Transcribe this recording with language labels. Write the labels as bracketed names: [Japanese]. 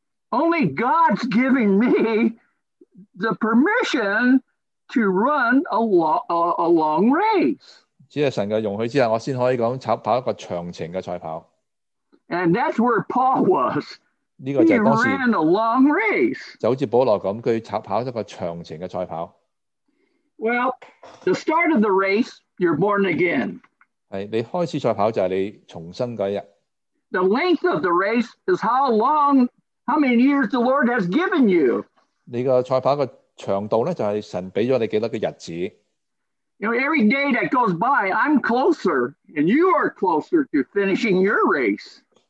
[English] Only God's giving me the permission to run a long race. [Chinese] 只是神的容许之下，我才可以跑一个长程的赛跑。 [English] And that's where Paul was. He ran a long race. [Chinese] 就好像保罗那样，他跑了一个长程的赛跑。 [English] Well, the start of the race, you're born again. [Chinese] 你开始赛跑就是你重生那一天。 [English] The length of the race is how long. How many years the Lord has given you? [Chinese] 你的赛跑的长度呢，就是神给了你多少个日子。 [English] You know, every day that goes by, I'm closer, and you are closer to finishing your race.